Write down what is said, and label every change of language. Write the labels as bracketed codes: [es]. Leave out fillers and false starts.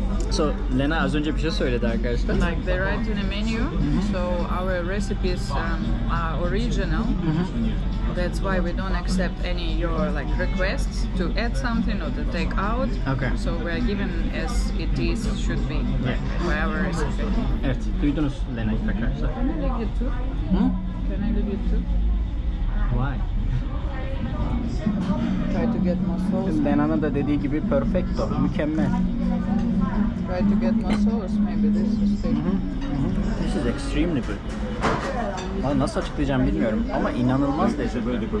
[en] So [tr] Lena az önce bir şey söyledi arkadaşlar. [en] Like they write in a menu, so our recipes are original. That's why we don't accept any your like requests to add something or to take out. Okay. So we are given as it is should be. Yeah. Like, our recipe. [tr] Evet. Duydunuz Lena arkadaşlar. [en] Can I leave you two? Can I leave you two? Why? Try to get more sauce. [tr] Lena'nın da dediği gibi perfecto, mükemmel. [en] Try to get more sauce, maybe this is thick. This is extremely good. [tr] Ama nasıl açıklayacağım bilmiyorum ama inanılmaz derece böyle